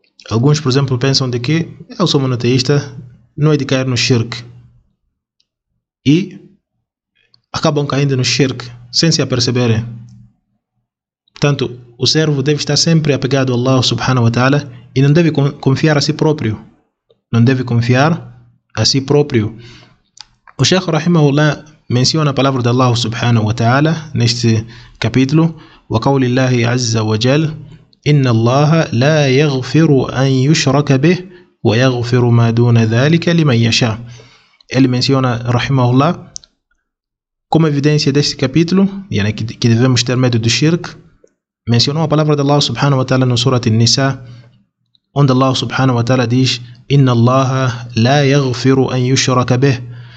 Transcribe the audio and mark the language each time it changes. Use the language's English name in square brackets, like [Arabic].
[Portuguese] Alguns, por exemplo, pensam de que eu sou monoteísta, não é de cair no shirk, e acabam caindo no shirk sem se aperceberem. Portanto, o servo deve estar sempre apegado a Allah subhanahu wa ta'ala e não deve confiar a si próprio. Não deve confiar a si próprio. O Sheikh Rahimahullah menciona a palavra de Allah subhanahu wa ta'ala neste capítulo: [Arabic] وَقَوْلِ اللَّهِ عَزَّ وَجَلْ إِنَّ اللَّهَ لَا يَغْفِرُ أَنْ يُشْرَكَ بِهِ وَيَغْفِرُ مَا دُونَ ذَلِكَ لِمَنْ يَشَاءُ. [Portuguese] Ele menciona, rahimahullah, como evidência deste capítulo, yani que devemos ter medo do shirk, mencionou a palavra de Allah subhanahu wa ta'ala no surat al-Nisa, onde Allah subhanahu wa ta'ala diz: [Arabic] إِنَّ اللَّهَ لَا يَغْفِرُ أَنْ يُشْرَكَ بِهِ.